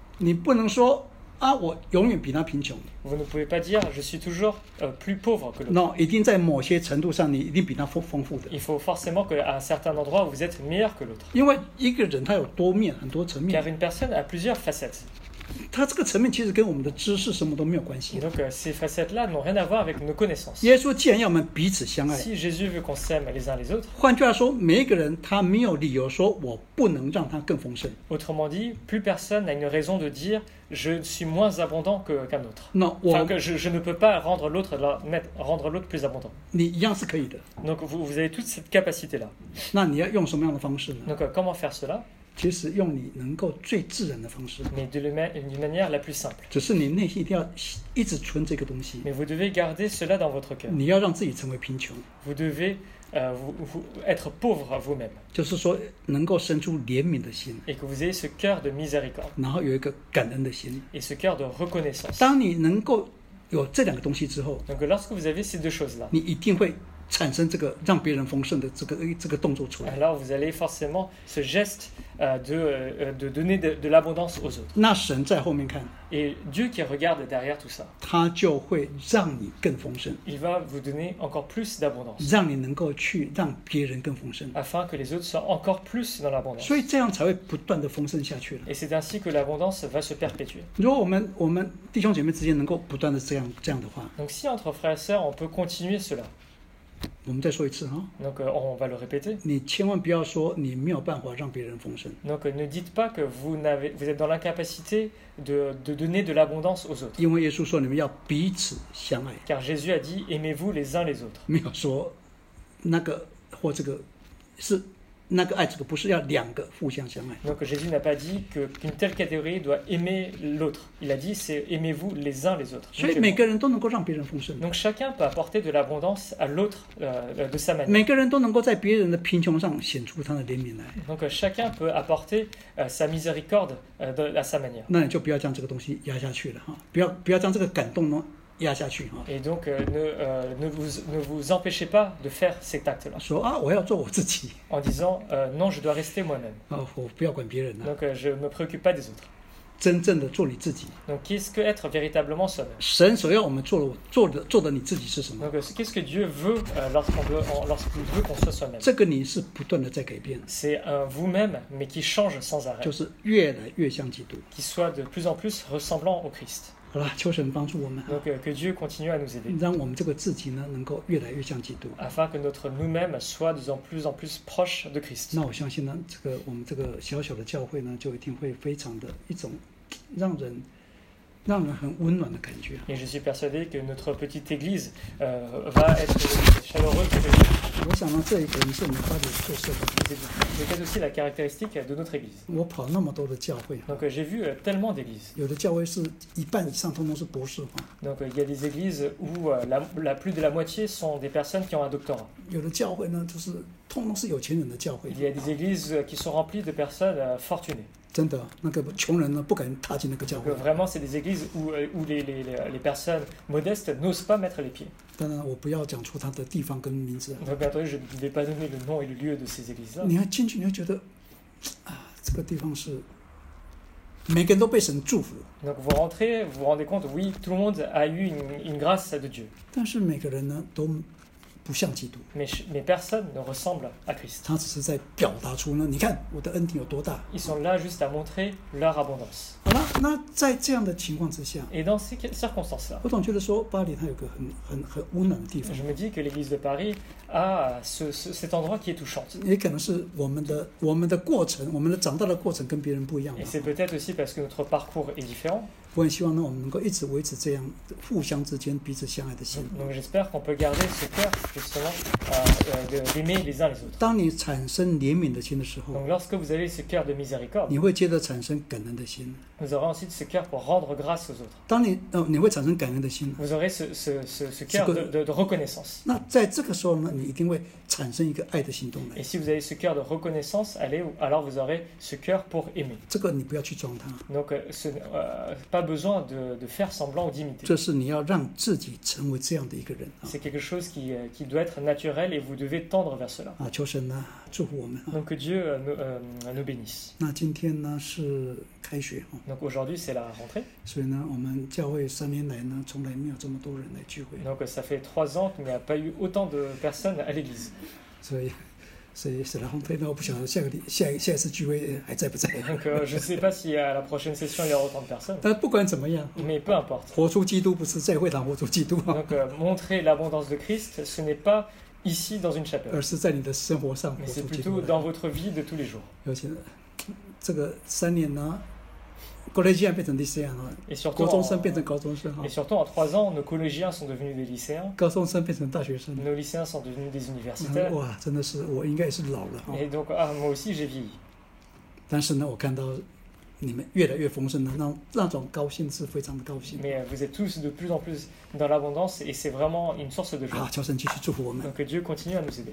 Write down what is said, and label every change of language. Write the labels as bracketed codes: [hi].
[zh] 你不能说, 啊, 我永远比他贫穷, [fr] vous ne pouvez pas dire je suis toujours plus pauvre que l'autre. [zh] Non, 一定在某些程度上, 你一定比他丰富的, [fr] il faut forcément qu'à un certain endroit vous êtes meilleur que l'autre. [zh] 因为一个人他有多面, 很多层面, [fr] car une personne a plusieurs facettes. [zh] 他这个层面其实跟我们的知识什么都没有关系, [fr] donc ces facettes-là n'ont rien à voir avec nos connaissances. [zh] 耶稣既然要我们彼此相爱, [fr] si Jésus veut qu'on s'aime les uns les autres, [zh] 换句话说, 每一个人他没有理由说我不能让他更丰盛, [fr] autrement dit, plus personne n'a une raison de dire je suis moins abondant qu'un autre. [zh] Non, 我, [fr] enfin, que je ne peux pas rendre l'autre plus abondant. [zh] 你一样是可以的, [fr] donc vous avez toute cette capacité-là. [zh] 那你要用什么样的方式呢? [fr] Donc comment faire cela? [zh] 其实用你能够最自然的方式。 [fr] Mais de la manière la plus simple. [zh] 只是你内心一定要一直存这个东西。 [fr] Mais vous devez garder cela dans votre cœur. [zh] 你要让自己成为贫穷。 [fr] Vous devez être pauvre à vous-même. [zh] 就是说，能够生出怜悯的心。 [fr] Et que vous ayez ce cœur de miséricorde. [zh] 然后有一个感恩的心。 [fr] Et ce cœur de reconnaissance. [zh] 当你能够有这两个东西之后 [fr] ，Donc lorsque vous avez ces deux choses-là, [zh] 你一定会产生这个让别人丰盛的这个动作出来。 [fr] Alors vous allez forcément ce geste de donner de l'abondance aux autres. [zh] 那神在后面看 [fr] ，Et Dieu qui regarde derrière tout ça, [zh] 他就会让你更丰盛。 [fr] Il va vous donner encore plus d'abondance. [zh] 让你能够去让别人更丰盛。 [fr] Afin que les autres soient encore plus dans l'abondance. [zh] 所以这样才会不断的丰盛下去了。 [fr] Et c'est ainsi que l'abondance va se perpétuer. [zh] 如果我们弟兄姐妹之间能够不断的这样的话 [fr] ，Donc si entre frères et sœurs on peut continuer cela. [zh] 我们再说一次哈。 [fr] Donc on va le répéter. [zh] 你千万不要说你没有办法让别人丰盛。 [fr] Donc ne dites pas que vous êtes dans l'incapacité de donner de l'abondance aux autres. [zh] 因为耶稣说你们要彼此相爱。 [fr] Car Jésus a dit aimez-vous les uns les autres. [zh] 没有说那个或这个是那个爱这个不是要两个互相相爱。 [fr] Donc Jésus n'a pas dit que qu'une telle catégorie doit aimer l'autre. Il a dit c'est aimez-vous les uns les autres. [zh] 所以每个人都能够让别人丰盛。 [fr] Donc chacun peut apporter de l'abondance à l'autre de sa manière. [zh] 每个人都能够在别人的贫穷上显出他的怜悯来。 [fr] Donc chacun peut apporter sa miséricorde à sa manière. [zh] 那你就不要将这个东西压下去了哈，不要将这个感动呢。压下去啊！ [fr] Et donc ne vous empêchez pas de faire cet acte-là. [zh] 说啊，我要做我自己。 [fr] En disant non, je dois rester moi-même. [zh] 啊，我不要管别人了。 [fr] Donc je me préoccupe pas des autres. [zh] 真正的做你自己。 [fr] Donc qu'est-ce que être véritablement soi-même? [zh] 神所要我们做的你自己是什么 [fr] ？Donc qu'est-ce que Dieu veut lorsqu'il veut qu'on soit soi-même? [zh] 这个你是不断的在改变。 [fr] C'est un vous-même mais qui change sans arrêt. [zh] 就是越来越像基督。 [fr] Qui soit de plus en plus ressemblant au Christ. [zh] 好了，求神帮助我们。 [fr] Donc que Dieu continue à nous aider. [zh] 让我们这个自己呢，能够越来越像基督。 [fr] Afin que notre nous-mêmes soit de plus en plus proche de Christ. [zh] 那我相信呢，这个我们这个小小的教会呢，就一定会非常的一种让人很温暖的感觉。 [fr] Et je suis persuadé que notre petite église va être chaleureuse. [zh] 我想呢，这一点是我们发展特色的。 [fr] C'est aussi la caractéristique de notre église. [zh] 我跑那么多的教会。 [fr] Donc j'ai vu tellement d'églises. [zh] 有的教会是一半以上通通是博士。 [fr] Donc il y a des églises où la plus de la moitié sont des personnes qui ont un doctorat. [zh] 有的教会呢，就是通通是有钱人的教会。 [fr] Il y a des églises qui sont remplies de personnes fortunées. [zh] 真的，那个穷人呢不敢踏进那个教会。 [fr] Vraiment, c'est des églises où les personnes modestes n'osent pas mettre les pieds. [zh] 当然，我不要讲出他的地方跟名字。 [fr] Donc, bien entendu, je ne vais pas donner le nom et le lieu de ces églises. [zh] 你要进去，你会觉得，啊，这个地方是每个人都被神祝福。 [fr] Donc, vous rentrez, vous vous rendez compte, oui, tout le monde a eu une grâce de Dieu. [zh] 但是每个人呢都。不像基督 [fr] mais personne ne ressemble à Christ. [zh] 他只是在表达出呢，你看我的恩典有多大。 [fr] Ils sont là juste à montrer leur abondance. [zh] 好吧，那在这样的情况之下 [fr] ，et dans ces circonstances-là, [zh] 我总觉得说巴黎它有个很温暖的地方。 [fr] Je me dis que l'église de Paris a cet endroit qui est touchant. [zh] 也可能是我们的过程，我们的长大的过程跟别人不一样。 [fr] Et c'est peut-être aussi parce que notre parcours est différent. [zh] 我很希望呢，我们能够一直维持这样互相之间彼此相爱的心。 [fr] Donc j'espère qu'on peut garder ce cœur justement d'aimer les uns les autres. [zh] 当你产生怜悯的心的时候 [fr] ，Donc lorsque vous avez ce cœur de miséricorde, [zh] 你会接着产生感恩的心。 [fr] Vous aurez ensuite ce cœur pour rendre grâce aux autres. [zh] 当你会产生感恩的心。 [fr] Vous aurez ce cœur de reconnaissance. [zh] 那在这个时候呢，你一定会产生一个爱的行动来。 [fr] Et si vous avez ce cœur de reconnaissance, alors vous aurez ce cœur pour aimer. [zh] 这个你不要去装它。 [fr] Donc pas besoin de faire semblant ou d'imiter. [zh] 这是你要让自己成为这样的一个人。 [fr] C'est quelque chose qui doit être naturel et vous devez tendre vers cela. [zh] 啊，求神呢祝福我们。 [fr] Donc que Dieu nous bénisse. [zh] 那今天呢是。开学哈 [fr] ，Donc aujourd'hui c'est la rentrée。 [zh] 所以呢，我们教会三年来呢，从来没有这么多人来聚会。 [fr] Donc ça fait trois ans qu'il n'y a pas eu autant de personnes à l'église。 [zh] 所以 [fr] c'est la rentrée， [zh] 那我不晓得下一次聚会还在不在。 [fr] Donc je sais pas si à la prochaine session il y aura autant de personnes。 [zh] 但不管怎么样 [fr] ，Mais peu importe。 [zh] 活出基督不是在会堂活出基督。 [fr] Donc montrer l'abondance de Christ， ce n'est pas ici dans une chapelle。 [zh] 而是在你的生活上活出基督。 [fr] Mais c'est plutôt dans votre vie de tous les jours。 [zh] 尤其这个三年呢。 collégien 变成 lycéen 了，高中生变成高中生哈。 [fr] Et surtout en trois ans, nos collégiens sont devenus des lycéens. [zh] 高中生变成大学生。 [fr] Nos lycéens sont devenus des universitaires. [zh] 哇，真的是我应该也是老了。 [fr] Et donc, moi aussi j'ai vieilli. [zh] 但是呢，我看到你们越来越丰盛的那种高兴是非常的高兴。 [fr] Mais vous êtes tous de plus en plus dans l'abondance et c'est vraiment une source de joie. [zh] 求神继续祝福我们。 [fr] Donc que Dieu continue à nous aider.